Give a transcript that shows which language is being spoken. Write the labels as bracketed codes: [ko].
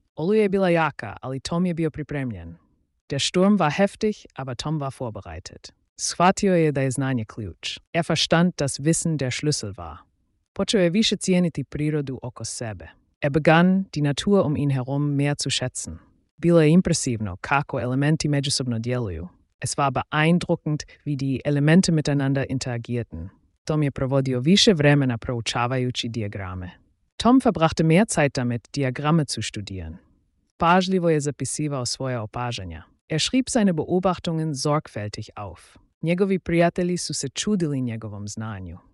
[hr] Oluja je bila jaka, ali Tom je bio pripremljen. [de] Der Sturm war heftig, aber Tom war vorbereitet. [hr] Shvatio je da je znanje ključ. [de] Er verstand, dass Wissen der Schlüssel war. [hr] Počeo je više cijeniti prirodu oko sebe. [de] Er begann, die Natur um ihn herum mehr zu schätzen. [hr] Bilo je impresivno kako elementi međusobno djeluju. [de] Es war beeindruckend, wie die Elemente miteinander interagierten. [hr] Tom je provodio više vremena proučavajući diagrame. [de] Tom verbrachte mehr Zeit damit, Diagramme zu studieren. [hr] Pažljivo je zapisivao svoje opažanja. [de] Er schrieb seine Beobachtungen sorgfältig auf. [hr] Njegovi prijatelji su se čudili njegovom znanju.